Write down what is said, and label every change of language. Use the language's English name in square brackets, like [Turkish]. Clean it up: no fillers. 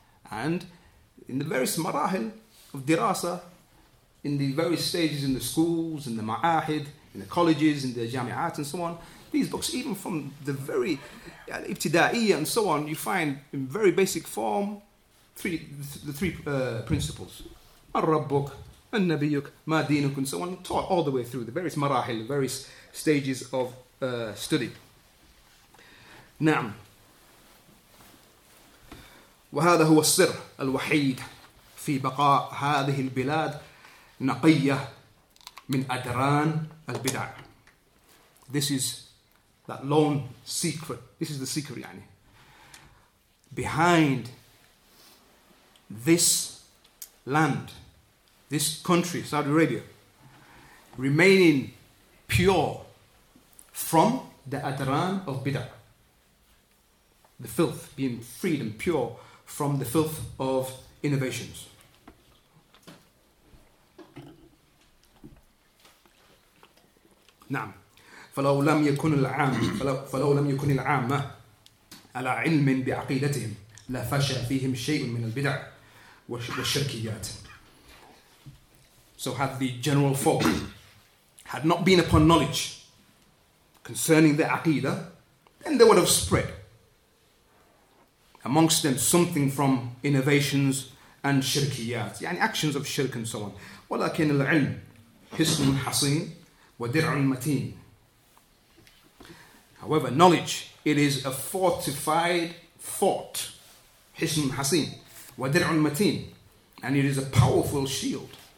[English] And in the various marahil of dirasa, in the various stages in the schools, in the ma'ahid, in the colleges, in the jami'at and so on, these books, even from the very ibtida'iyya and so on, you find in very basic form the three principles. Ar-Rabbuk, Al-Nabiyuk, Ma-Dinuk, and so on, taught all the way through the various marahil, the various stages of study. [Arabic] Na'am. وهذا هو السر الوحيد في بقاء هذه البلاد نقية من أدران البدع. [English] This is that lone secret. This is the secret, يعني. Behind this land, this country, Saudi Arabia, remaining pure from the adran of bid'ah, the filth, being freed and pure from the filth of innovations. [Arabic] نعم. فلو لم يكن العامة على علم بعقيدتهم لفشى فيهم شيء من البدع والشركيات. [English] So had the general folk had not been upon knowledge concerning the aqidah, then they would have spread amongst them something from innovations and shirkiyat, يعني actions of shirk and so on. [Arabic] ولكن العلم حصن حصين ودرع متين. [English] However, knowledge, it is a fortified fort. [Arabic] حصن حصين ودرع متين. [English] And it is a powerful shield.